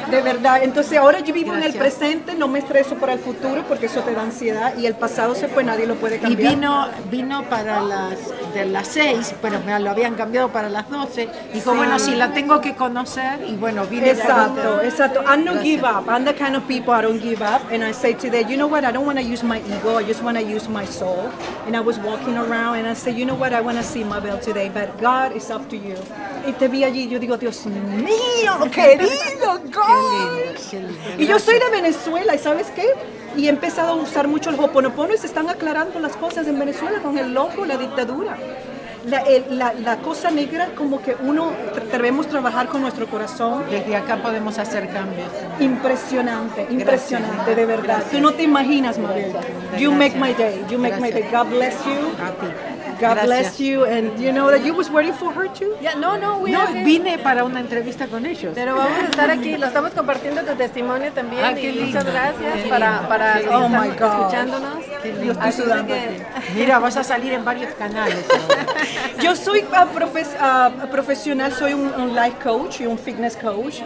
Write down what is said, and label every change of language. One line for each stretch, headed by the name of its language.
Spanish: De verdad. Entonces ahora yo vivo, gracias, en el presente, no me estreso para el futuro porque eso te da ansiedad, y el pasado se fue, nadie lo puede cambiar. Y vino para las de las 6, pero me lo habían cambiado para las 12. Dijo, sí, bueno, sí, la tengo que conocer, y bueno, vine. Exacto, exacto.
English: I don't give up. I'm the kind of people, I don't give up. And I say today, you know what, I don't want to use my ego, I just want to use my soul. And I was walking around and I said, you know what, I want to see Mabel today, but God, it's up to you.
Spanish: Y te vi allí, yo digo, Dios mío, querido, God. Y yo soy de Venezuela, ¿y sabes qué? Y he empezado a usar mucho el Ho'oponopono y se están aclarando las cosas en Venezuela con el loco, la dictadura. La cosa negra, como que uno debemos trabajar con nuestro corazón. Desde acá podemos hacer cambios. Impresionante, gracias, impresionante, de verdad. Gracias. Tú no te imaginas, Mabel.
English: You make my day, you make, gracias, my day. God bless you.
Spanish: A ti.
English: God, gracias, bless you, and you know that you was waiting for her too? Yeah, no, no, we
Spanish: no, vine para una entrevista con ellos. Pero vamos a estar aquí, lo estamos compartiendo tu testimonio también. Ah, qué y lindo, muchas gracias para los que, oh, están escuchándonos. Dios, estoy sudando. Que... Mira, vas a salir en varios canales. Yo soy profesional, soy un life coach y un fitness coach.